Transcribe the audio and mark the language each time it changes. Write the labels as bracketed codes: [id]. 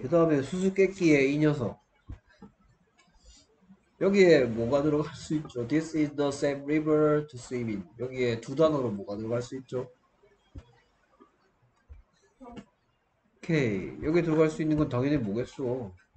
[ko] 그 다음에 수수께끼에 이 녀석 여기에 뭐가 들어갈 수 있죠? [en] This is the same river to swim in. [ko] 여기에 두 단어로 뭐가 들어갈 수 있죠? 오케이. 여기 들어갈 수 있는 건 당연히 뭐겠어?